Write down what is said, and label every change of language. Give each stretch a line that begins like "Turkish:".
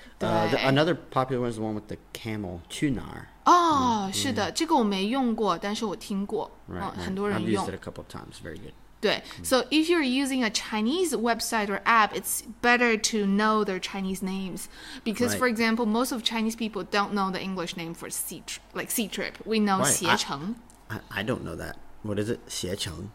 English: another popular one is the one with the camel, Qunar.
Chinese: Oh, 是的，这个我没用过，但是我听过。很多人用。
English: I've used it a couple of times, very good. 对 so if you're using a Chinese website or app, it's better to know their Chinese names. Because, right. for example, most of Chinese people don't know the English name for Ctrip.
Chinese: We know 携程.
English: I don't know that. What is it? 携程.